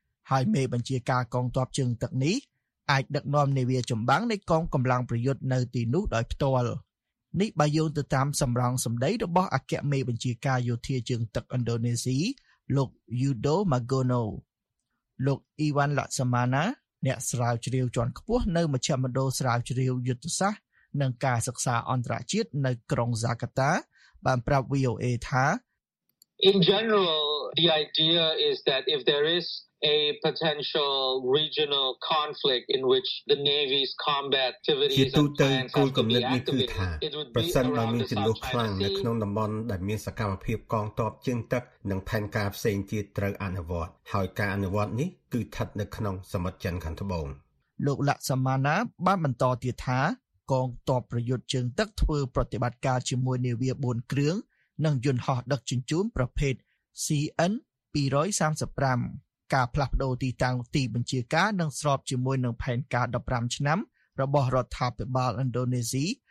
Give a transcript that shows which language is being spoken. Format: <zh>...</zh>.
<km>ហើយមេបញ្ជាការកងទ័ពជើងទឹកនេះអាចដឹកនាំនាវាចម្បាំងនៃកងកម្លាំងប្រយុទ្ធនៅទីនោះដោយផ្ទាល់នេះបើយោងទៅតាមសម្រង់សម្ដីរបស់អគ្គមេបញ្ជាការយោធាជើងទឹកឥណ្ឌូនេស៊ីលោក Yudo Magono លោក Ivan Laksamana អ្នកស្រាវជ្រាវជាន់ខ្ពស់នៅមជ្ឈមណ្ឌលស្រាវជ្រាវយុទ្ធសាស្ត្រនិងការសិក្សាអន្តរជាតិនៅក្រុង Jakarta បានប្រាប់ VOA ថា</km> <en>In general the idea is that if there is a potential regional conflict in which the navy's combat activities</en> <km>ជាទូទៅគោលគំនិតនេះគឺថាប្រសិនបើមានចំនួនខ្លាំងនៅក្នុងតំបន់ដែលមានសកម្មភាពកងទ័ពជើងទឹកនិងផែនការផ្សេងទៀតត្រូវអនុវត្តហើយការអនុវត្តនេះគឺស្ថិតនៅក្នុងសមិទ្ធចិនខាងត្បូង លោកលាក់សមាណាបានបន្តទៀតថាកងទ័ពប្រយុទ្ធជើងទឹកធ្វើប្រតិបត្តិការជាមួយនាវា4គ្រឿងនិងយន្តហោះដឹកជញ្ជូនប្រភេទ CN235ការផ្លាស់ប្ដូរទីតាំងទីបញ្ជាការនឹងស្របជាមួយនឹងផែនការ15ឆ្នាំរបស់រដ្ឋាភិបាលឥណ្ឌូនេស៊ី</km>